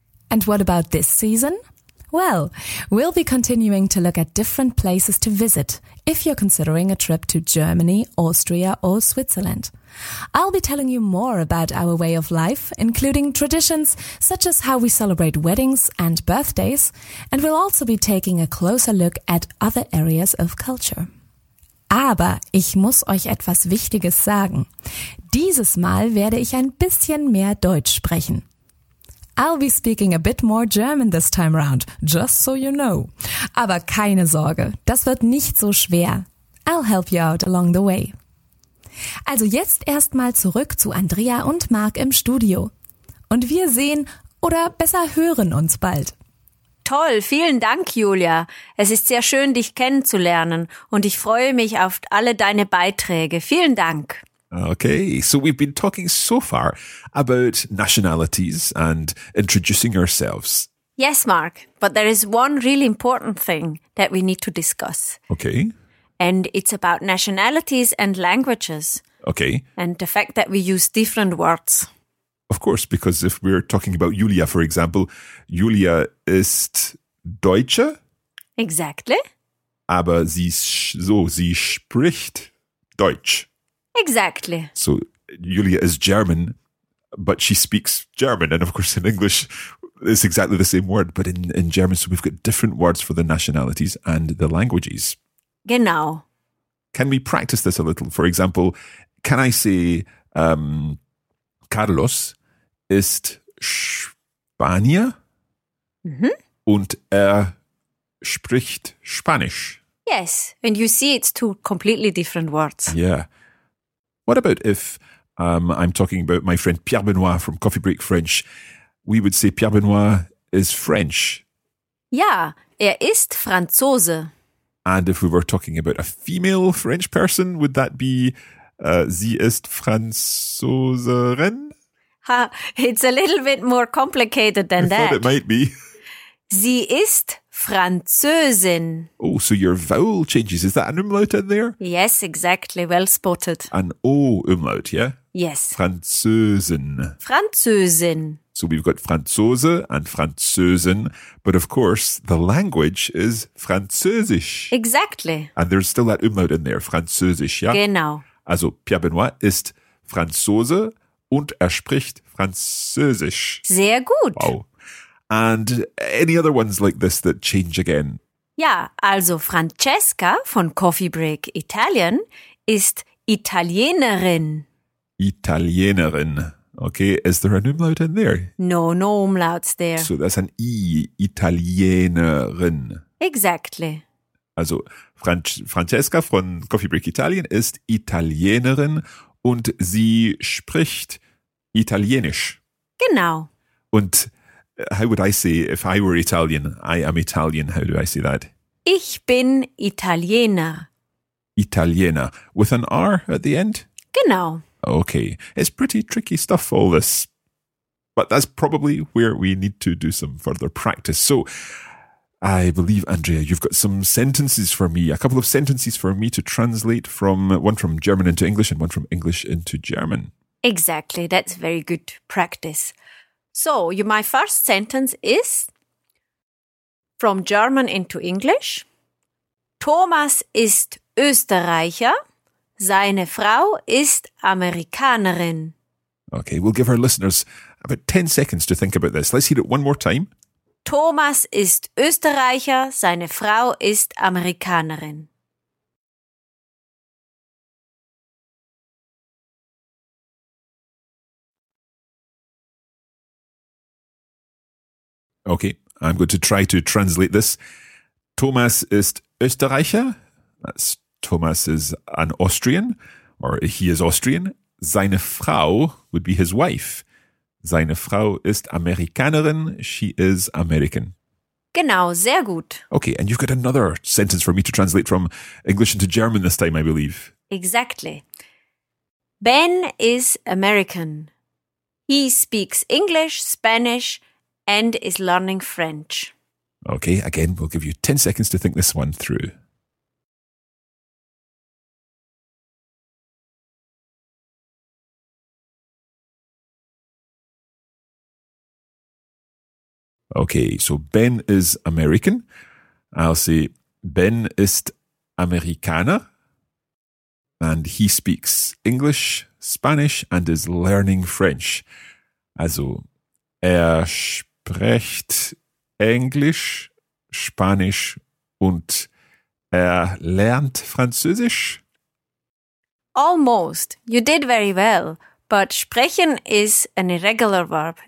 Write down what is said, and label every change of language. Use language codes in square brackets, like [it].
[en] And what about this season? Well, we'll be continuing to look at different places to visit if you're considering a trip to Germany, Austria or Switzerland. I'll be telling you more about our way of life, including traditions such as how we celebrate weddings and birthdays, and we'll also be taking a closer look at other areas of culture. [de] Aber ich muss euch etwas Wichtiges sagen. Dieses Mal werde ich ein bisschen mehr Deutsch sprechen. [en] I'll be speaking a bit more German this time round, just so you know. [de] Aber keine Sorge, das wird nicht so schwer. [en] I'll help you out along the way. [de] Also jetzt erstmal zurück zu Andrea und Marc im Studio. Und wir sehen oder besser hören uns bald. Toll, vielen Dank, Julia. Es ist sehr schön, dich kennenzulernen und ich freue mich auf alle deine Beiträge. Vielen Dank. [en] Okay, so we've been talking so far about nationalities and introducing ourselves. Yes, Marc, but there is one really important thing that we need to discuss. Okay. And it's about nationalities and languages. Okay. And the fact that we use different words. Of course, because if we're talking about Julia, for example, [de] Julia ist Deutsche. [en] Exactly. [de] Aber sie spricht Deutsch. [en] Exactly. So Julia is German, but she speaks German. And of course, in English, it's exactly the same word, but in German. So we've got different words for the nationalities and the languages. [de] Genau. [en] Can we practice this a little? For example, can I say [de] Carlos ist Spanier und er spricht Spanisch? [en] Yes. And you see it's two completely different words. Yeah. What about if I'm talking about my friend Pierre Benoit from Coffee Break French? We would say Pierre Benoit is French. [de] Ja, er ist Franzose. [en] And if we were talking about a female French person, would that be [de] sie ist Französerin? [en] Ha, it's a little bit more complicated than I thought it might be. [de] Sie ist Französin. [en] Oh, so your vowel changes. Is that an umlaut in there? Yes, exactly. Well spotted. An O umlaut, yeah? Yes. [de] Französin. Französin. [en] So we've got Franzose and Französin, but of course the language is Französisch. Exactly. And there's still that umlaut in there, Französisch, yeah? [de] Genau. Also Pierre Benoit ist Franzose und er spricht Französisch. Sehr gut. [en] Wow. And any other ones like this that change again? [de] Ja, also Francesca von Coffee Break Italian ist Italienerin. Italienerin. [en] Okay, is there an umlaut in there? No umlauts there. So that's an I, Italienerin. Exactly. [de] Also Francesca von Coffee Break Italien ist Italienerin und sie spricht Italienisch. Genau. [en] Und how would I say, if I were Italian, I am Italian, how do I say that? [de] Ich bin Italiener. [en] Italiener, with an R at the end? [de] Genau. [en] Okay, it's pretty tricky stuff, all this. But that's probably where we need to do some further practice. So, I believe, Andrea, you've got some sentences for me, a couple of sentences for me to translate from, one from German into English and one from English into German. Exactly, that's very good practice. So, my first sentence is, from German into English, [de] Thomas ist Österreicher. Seine Frau ist Amerikanerin. [en] Okay, we'll give our listeners about 10 seconds to think about this. Let's hear it one more time. [de] Thomas ist Österreicher, seine Frau ist Amerikanerin. [en] Okay, I'm going to try to translate this. [de] Thomas ist Österreicher. [en] That's Thomas is an Austrian, or he is Austrian. [de] Seine Frau [en] would be his wife. [de] Seine Frau ist Amerikanerin. [en] She is American. [de] Genau, sehr gut. [en] Okay, and you've got another sentence for me to translate from English into German this time, I believe. Exactly. Ben is American. He speaks English, Spanish, and is learning French. Okay, again, we'll give you 10 seconds to think this one through. Okay, so Ben is American. I'll say [de] Ben ist Amerikaner. [en] And he speaks English, Spanish and is learning French. [de] Also, spricht Englisch, Spanisch und lernt Französisch? [en] Almost. You did very well. But sprechen is an irregular verb.